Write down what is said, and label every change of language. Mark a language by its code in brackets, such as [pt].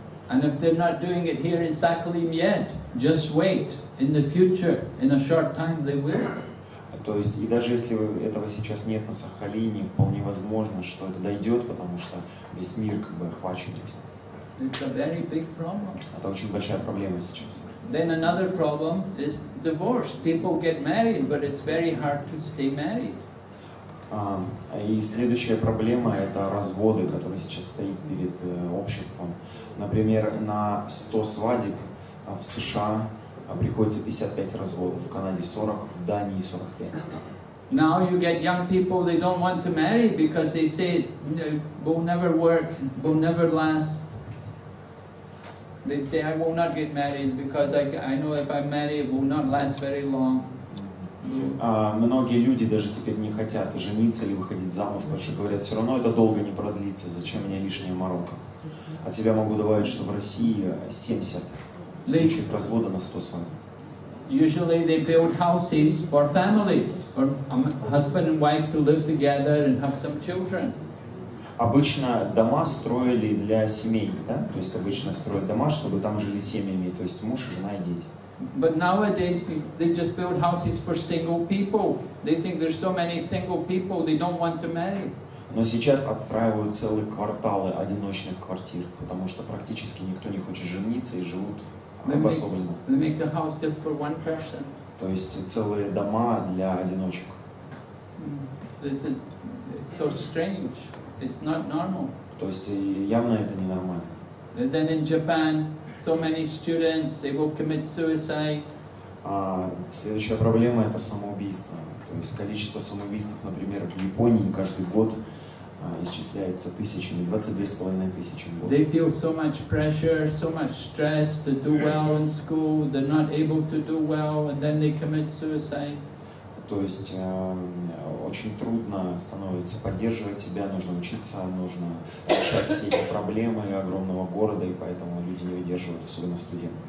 [en] And if they're not doing it here in Sakhalin yet, just wait. In the future, in a short time, they will. [ru] То есть, и даже если этого сейчас нет на Сахалине, вполне возможно, что это дойдет, потому что весь мир как бы охвачен этим. [en] It's a very big problem. [ru] Это очень большая проблема сейчас. [en] Then another problem is divorce. People get married, but it's very hard to stay married. [ru] И следующая проблема – это разводы, которые сейчас стоят перед обществом. Например, на 100 свадеб в США приходится 55 разводов, в Канаде 40, в Дании 45. [en] Now you get young people, they don't want to marry because they say it will never work, will never last. They say, I will not get married because I know if I'm married, it will not last very long. [ru] Многие люди даже теперь не хотят жениться или выходить замуж, потому что говорят, все равно это долго не продлится, зачем мне лишняя морока. А тебя могу добавить, что в России 70 случаев развода на 100 свадеб. [en] Usually they build houses for families, for husband and wife to live together and have some children. [ru] Обычно дома строили для семей, да? То есть обычно строят дома, чтобы там жили семьями, то есть муж, жена и дети. [en] But nowadays they just build houses for single people. They think there's so many single people they don't want to marry. [ru] Но сейчас отстраивают целые кварталы одиночных квартир, потому что практически никто не хочет жениться и живут обособленно. [en] They make a house just for one person. [ru] То есть целые дома для одиночек. [en] This is so strange. It's not normal. [ru] То есть явно это ненормально. [en] And then in Japan, so many students they will commit suicide. [ru] Следующая проблема это самоубийство. То есть количество самоубийств, например, в Японии каждый год исчисляется тысячами, 22,5 тысячи в год. [en] They feel so much pressure, so much stress to do well in school. They're not able to do well, and then they commit suicide. [ru] То есть очень трудно становится поддерживать себя, нужно учиться, нужно решать все эти проблемы огромного города, и поэтому люди не выдерживают, особенно студенты.